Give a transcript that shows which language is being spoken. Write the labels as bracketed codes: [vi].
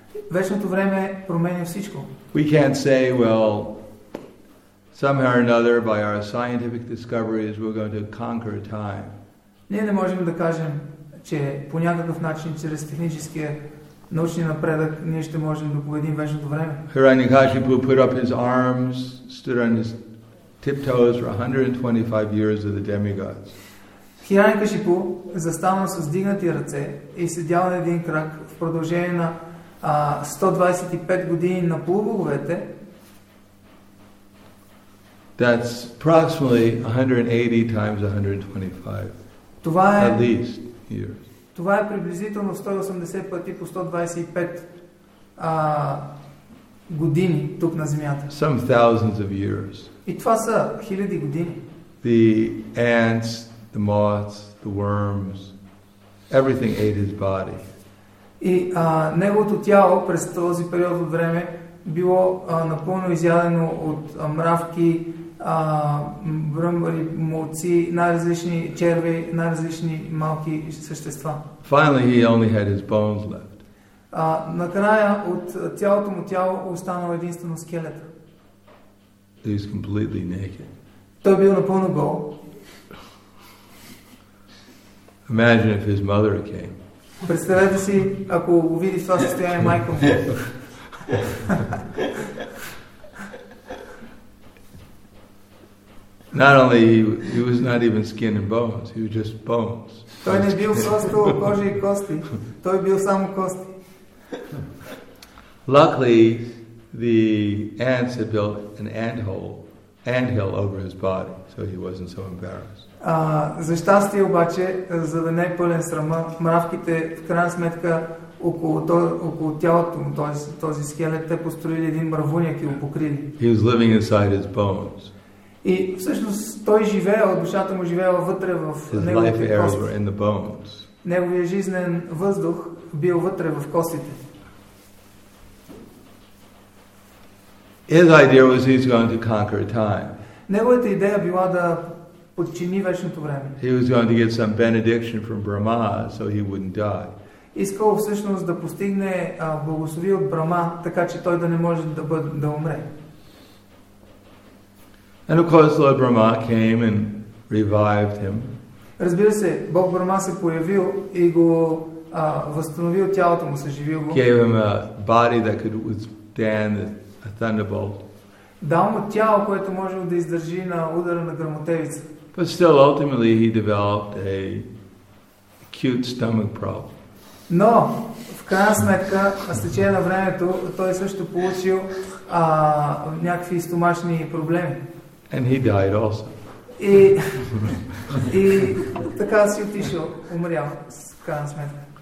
[bg] Вечното време променя всичко. [en] We can't say, "Well, somehow or another, by our scientific discoveries, we're going to conquer time." [bg] Ние не можем да кажем, че по някакъв начин, чрез техническия научния напредък, ние ще можем да победим вечното време. [en] Hiranyakashipu put up his arms, stood on his tiptoes for 125 years of the demigods. [bg] Hiranyakashipu застанал с вдигнати ръце и седял на един крак в продължение на 125 години на полубоговете. [en] That's approximately 180 times 125. [bg] Това е, [en] at least here. [bg] Това е приблизително 180 пъти по 125 години тук на земята. [en] Some thousands of years. [bg] И това са хиляди години. [en] The ants, the moths, the worms, everything ate his body. [bg] И неговото тяло през този период от време било напълно изядено от мравки, бръмбари, молци, най-различни черви, най-различни малки същества. [en] Finally, he only had his bones left. [bg] Накрая от цялото му тяло останало единствено скелета. [en] He was completely naked. [bg] Той бил напълно гол. [en] Imagine if his mother came. [bg] Представете си, ако го види в това състояние майка му. [en] Not only he was not even skin and bones, he was just bones. [bg] Той не бил просто кожа и кости, той бил само кости. [en] Luckily, the ants had built an anthill over his body, so he wasn't so embarrassed. [bg] За щастие обаче, за да не е пълен срама, мравките в крайна сметка около тялото му, този скелет, те построили един мравуняк и го покрили. [en] He was living inside his bones. [bg] И всъщност той живеел, душата му живеела вътре в неговите кости. Неговия жизнен въздух бил вътре в костите. [en] His idea was he's going to conquer time. [bg] Неговата идея била да подчини вечното време. [en] He was going to get some benediction from Brahma so he wouldn't die. [bg] Искал всъщност да постигне благослови от Брама, така че той да не може да умре. [en] And of course Lord Brahma came and revived him. [bg] Разбира се, Бог Брама се появил и го възстановил тялото му, съживил го. [en] Gave him a body that could withstand a thunderbolt. [bg] Дал му тяло, което може да издържи на удара на гръмотевица. [en] But still ultimately he developed a acute stomach problem. [bg] Но, в крайна сметка, с течение на времето, той също получил някакви стомашни проблеми. [en] And he died also. [bg] И така си отишъл, умрял, в крайна сметка.